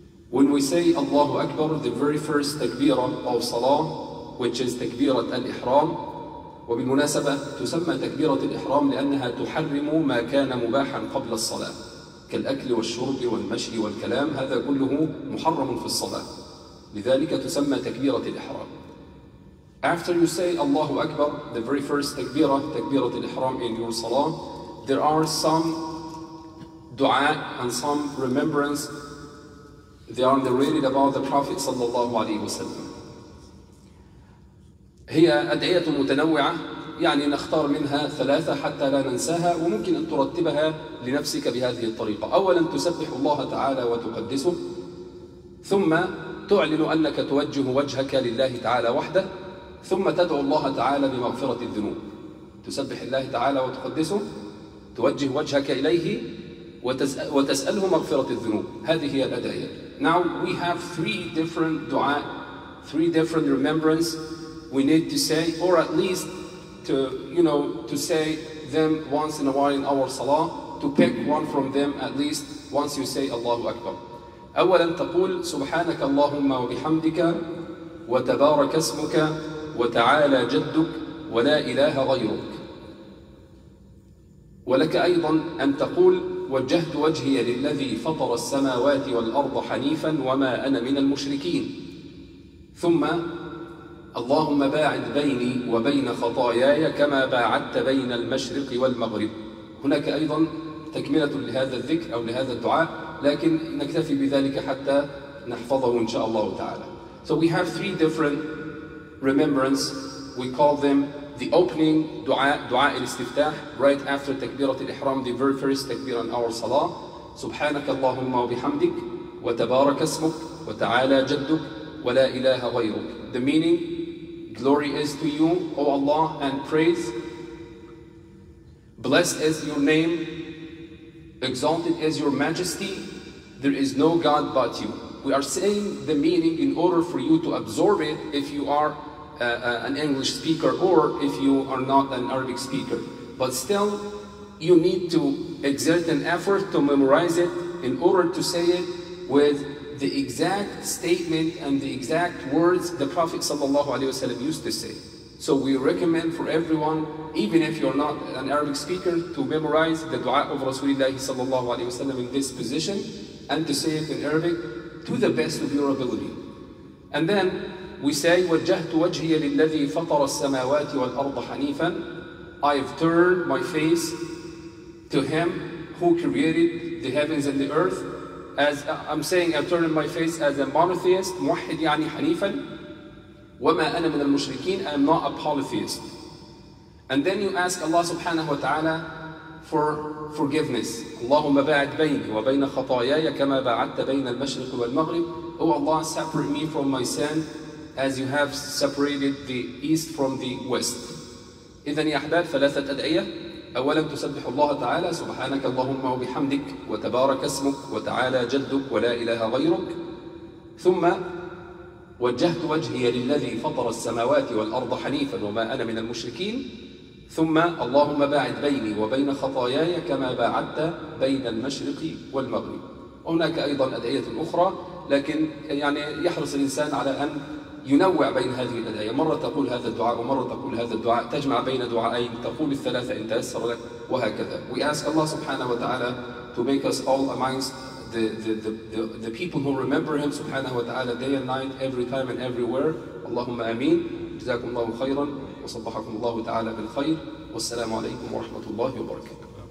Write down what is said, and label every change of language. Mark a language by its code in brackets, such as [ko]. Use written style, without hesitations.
[en] When we say Allahu Akbar, the very first takbirah of salah, which is takbirat al-ihram. [ar] وبالمناسبة تسمى تكبيرة الإحرام لأنها تحرم ما كان مباحا قبل الصلاة، كالأكل والشرب والمشي والكلام، هذا كله محرم في الصلاة، لذلك تسمى تكبيرة الإحرام. [en] After you say Allahu Akbar, the very first takbira, takbirat al-ihram in your salah, there are some dua and some remembrance they are narrated about the Prophet sallallahu alayhi wa sallam. [ar] هي أدعية متنوعة، يعني نختار منها ثلاثة حتى لا ننساها، وممكن أن ترتبها لنفسك بهذه الطريقة. أولا تسبح الله تعالى وتقدسه، ثم تعلن أنك توجه وجهك لله تعالى وحده، ثم تدعو الله تعالى بمغفرة الذنوب. تسبح الله تعالى وتقدسه، توجه وجهك إليه وتسأله مغفرة الذنوب. هذه هي الأدعية. [en] Now we have three different dua, three different remembrance we need to say, or at least to, you know, to say them once in a while in our salah, to pick one from them at least once you say Allahu Akbar. [ar] أولا تقول سبحانك اللهم وبحمدك وتبارك اسمك وتعالى جدك ولا إله غيرك. ولك أيضا أن تقول وجهت وجهي للذي فطر السماوات والأرض حنيفا وما أنا من المشركين. ثم اللهم باعد بيني وبين خطاياي كما باعدت بين المشرق والمغرب. هناك أيضا تكملة لهذا الذكر أو لهذا الدعاء، لكن نكتفي بذلك حتى نحفظه إن شاء الله تعالى. [en] So we have three different remembrance. We call them the opening dua, dua al-istiftah, right after takbirat al-ihram, the very first takbir in our salah. [ar] سبحانك اللهم وبحمدك وتبارك اسمك وتعالى جدك ولا إله غيرك. [en] The meaning, glory is to you, O Allah, and praise. Blessed is your name, exalted is your majesty, there is no God but you. We are saying the meaning in order for you to absorb it if you are an English speaker or if you are not an Arabic speaker. But still, you need to exert an effort to memorize it in order to say it with the exact statement and the exact words the Prophet sallallahu alaihi wasallam used to say. So we recommend for everyone, even if you're not an Arabic speaker, to memorize the dua of Rasulullah sallallahu alaihi wasallam in this position and to say it in Arabic to the best of your ability. And then we say [ar] وجهت وجهي للذي فطر السماوات والأرض حنيفا. [en] I've turned my face to him who created the heavens and the earth. As I'm saying, I'm turning my face as a monotheist, [ar] موحد يعني حنيفا. وما أنا من المشركين, [en] I'm not a polytheist. And then you ask Allah subhanahu wa ta'ala for forgiveness. [ar] اللهم باعد بيني وبين خطاياي كما باعدت بين المشرق والمغرب. [en] Oh Allah, separate me from my sin as you have separated the east from the west. [ar] إذن يا أحباب ثلاثة أدعية. أولا تسبح الله تعالى سبحانك اللهم وبحمدك وتبارك اسمك وتعالى جدك ولا إله غيرك. ثم وجهت وجهي للذي فطر السماوات والأرض حنيفا وما أنا من المشركين، ثم اللهم باعد بيني وبين خطاياي كما باعدت بين المشرق والمغرب. هناك أيضا أدعية أخرى، لكن يعني يحرص الإنسان على أن ينوع بين هذه الأدعية، مرة تقول هذا الدعاء ومرة تقول هذا الدعاء، تجمع بين دعائين، تقول الثلاثة إن تيسر لك وهكذا. [en] We ask Allah subhanahu wa ta'ala to make us all amongst the people who remember Him subhanahu wa ta'ala day and night, every time and everywhere. [ar] اللهم آمين. جزاكم الله خيرا وصبحكم الله تعالى بالخير، والسلام عليكم ورحمة الله وبركاته.